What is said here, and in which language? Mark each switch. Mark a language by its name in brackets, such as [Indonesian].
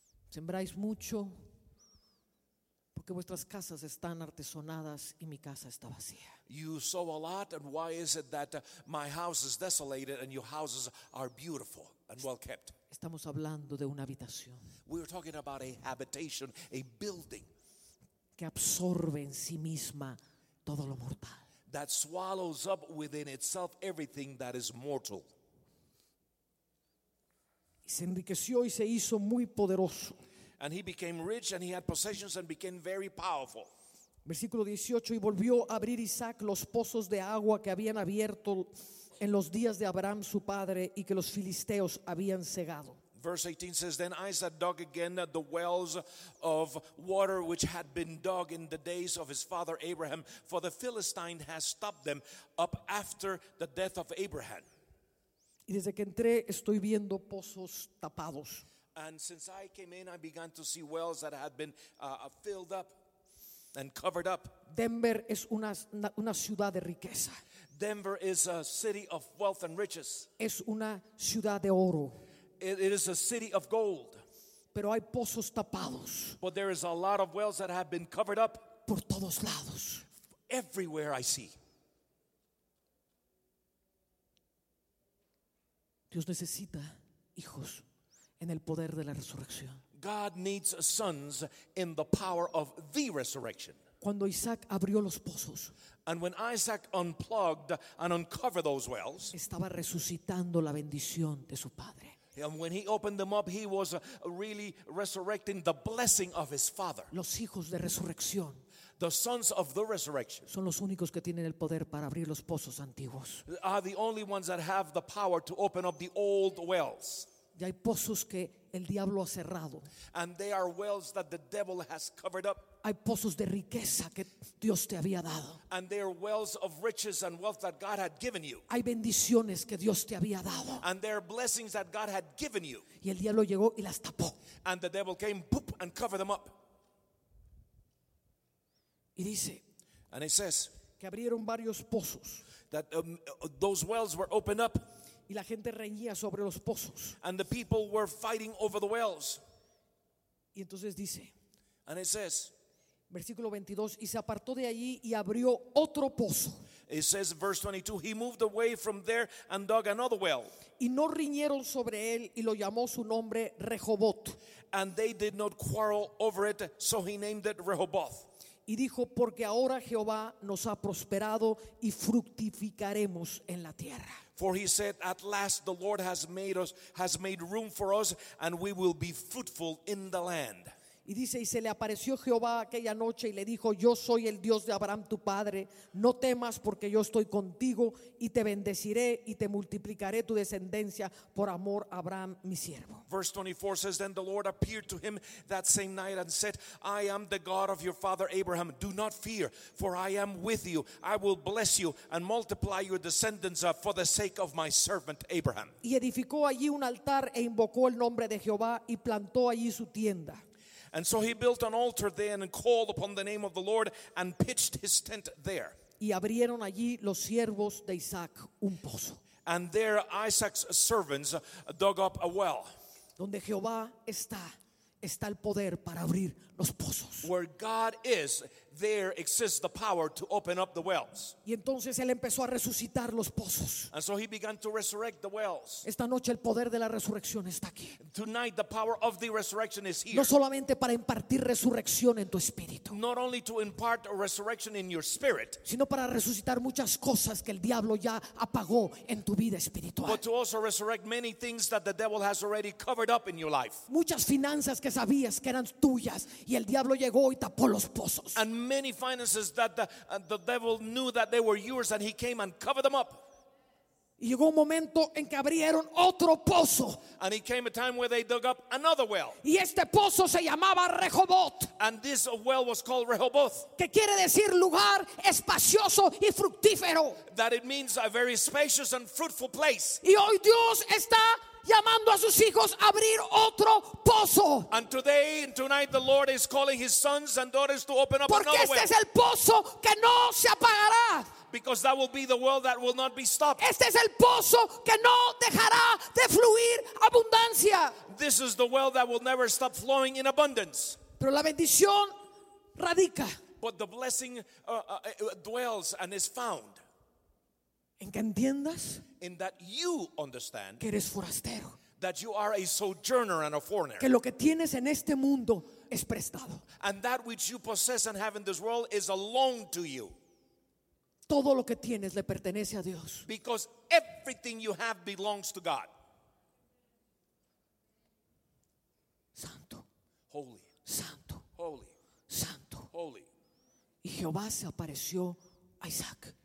[Spanish] Sembráis mucho porque vuestras casas están artesonadas y mi casa está vacía. [English] You sow a lot, and why is it that my house is desolated and your houses are beautiful and well kept? [Spanish] Estamos hablando de una habitación. [English] We are talking about a habitation, a building [Spanish] que absorbe en sí misma todo lo mortal. [English] That swallows up within itself everything that is mortal. [Spanish] Y se enriqueció y se hizo muy poderoso. [English] And he became rich and he had possessions and became very powerful. [Spanish] Versículo 18, y volvió a abrir Isaac los pozos de agua que habían abierto en los días de Abraham su padre y que los filisteos habían cegado. [English] Verse 18 says, then Isaac dug again the wells of water which had been dug in the days of his father Abraham, for the Philistine has stopped them up after the death of Abraham. [Spanish] Y desde que entré, estoy viendo pozos tapados. [English] And since I came in, I began to see wells that had been filled up and covered up. [Spanish] Denver es una ciudad de riqueza. [English] Denver is a city of wealth and riches. [Spanish] Es una ciudad de oro. [English] It is a city of gold. [Spanish] Pero hay pozos tapados. [English] But there is a lot of wells that have been covered up. [Spanish] Por todos lados. [English] Everywhere I see. [Spanish] Dios necesita hijos en el poder de la resurrección. [English] God needs sons in the power of the resurrection. [Spanish] Cuando Isaac abrió los pozos, [English] and when Isaac unplugged and uncovered those wells, [Spanish] estaba resucitando la bendición de su padre. [English] And when he opened them up, he was really resurrecting the blessing of his father. [Spanish] Los hijos de resurrección, [English] the sons of the resurrection, [Spanish] son los únicos que tienen el poder para abrir los pozos antiguos. [English] Are the only ones that have the power to open up the old wells. [Spanish] Y hay pozos que el diablo ha cerrado. [English] And they are wells that the devil has covered up. [Spanish] Hay pozos de riqueza que Dios te había dado. [English] And there are wells of riches and wealth that God had given you. [Spanish] Hay bendiciones que Dios te había dado. [English] And there are blessings that God had given you. [Spanish] Y el diablo llegó y las tapó. [English] And the devil came, poop, and covered them up. [Spanish] Y dice, [English] and it says, [Spanish] que abrieron varios pozos. [English] That those wells were opened up. [Spanish] Y la gente reñía sobre los pozos. [English] And the people were fighting over the wells. [Spanish] Y entonces dice, [English] and it says, [Spanish] versículo 22, y se apartó de allí y abrió otro pozo. [English] It says verse 22, he moved away from there and dug another well. [Spanish] Y no riñeron sobre él y lo llamó su nombre Rehoboth. [English] And they did not quarrel over it, so he named it Rehoboth. [Spanish] Y dijo, porque ahora Jehová nos ha prosperado y fructificaremos en la tierra. [English] For he said, at last the Lord has made room for us and we will be fruitful in the land. [Spanish] Y dice, y se le apareció Jehová aquella noche y le dijo, yo soy el Dios de Abraham tu padre, no temas porque yo estoy contigo y te bendeciré y te multiplicaré tu descendencia por amor a Abraham mi siervo. [English] Verse 24 says, then the Lord appeared to him that same night and said, I am the God of your father Abraham, do not fear, for I am with you, I will bless you and multiply your descendants for the sake of my servant Abraham. [Spanish] Y edificó allí un altar e invocó el nombre de Jehová y plantó allí su tienda. [English] And so he built an altar there and called upon the name of the Lord and pitched his tent there. [Spanish] Y abrieron allí los siervos de Isaac un pozo. [English] And there Isaac's servants dug up a well. [Spanish] Donde Jehová está, está el poder para abrir los pozos. [English] Where God is, there exists the power to open up the wells. [Spanish] Y entonces él empezó a resucitar los pozos. [English] And so he began to resurrect the wells. [Spanish] Esta noche el poder de la resurrección está aquí. [English] Tonight the power of the resurrection is here. [Spanish] No solamente para impartir resurrección en tu espíritu. [English] Not only to impart a resurrection in your spirit. [Spanish] Sino para resucitar muchas cosas que el diablo ya apagó en tu vida espiritual. [English] But to also resurrect many things that the devil has already covered up in your life. [Spanish] Muchas finanzas que sabías que eran tuyas y el diablo llegó y tapó los pozos. [English] And many finances that the devil knew that they were yours and he came and covered them up. [Spanish] Llegó un momento en que abrieron otro pozo. [English] And it came a time where they dug up another well. [Spanish] Y este pozo se llamaba Rehoboth. [English] And this well was called Rehoboth. [Spanish] Que quiere decir lugar espacioso y fructífero. [English] That it means a very spacious and fruitful place. [Spanish] Y hoy Dios está llamando a sus hijos a abrir otro pozo. [English] And today and tonight the Lord is calling his sons and daughters to open up another well. [Spanish] Porque este es el pozo que no se apagará. [English] Because that will be the well that will not be stopped. [Spanish] Este es el pozo que no dejará de fluir abundancia. [English] This is the well that will never stop flowing in abundance. [Spanish] Pero la bendición radica. [English] But the blessing dwells and is found. [Spanish] En que entiendas. [English] In that you understand. [Spanish] Que eres forastero. [English] That you are a sojourner and a foreigner. [Spanish] Que lo que tienes en este mundo es prestado. [English] And that which you possess and have in this world is a loan to you. [Spanish] Todo lo que tienes le pertenece a Dios. [English] Because everything you have belongs to God. [Spanish] Santo. [English] Holy. [Spanish] Santo. [English] Holy. [Spanish] Santo. [English] Holy. [Spanish] Y Jehová se apareció a Isaac.